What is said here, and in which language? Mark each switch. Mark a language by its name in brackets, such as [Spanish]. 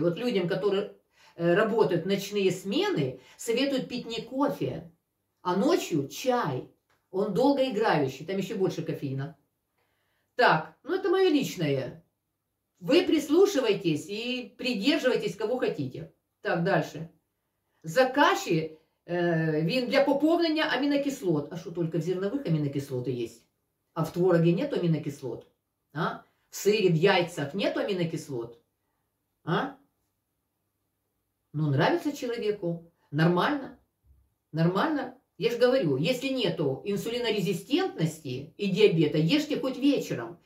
[Russian] Вот людям, которые работают в ночные смены, советуют пить не кофе, а ночью чай. Он долгоиграющий, там еще больше кофеина. Так, ну это мое личное. Вы прислушивайтесь и придерживайтесь, кого хотите. Так, дальше. [Ukrainian] За каши, він для поповнення аминокислот. [Russian] А что, только в зерновых аминокислоты есть? А в твороге нет аминокислот? А? В сыре, в яйцах нету аминокислот? А? Ну, нравится человеку. Нормально. Нормально. Я же говорю, если нету инсулинорезистентности и диабета, ешьте хоть вечером.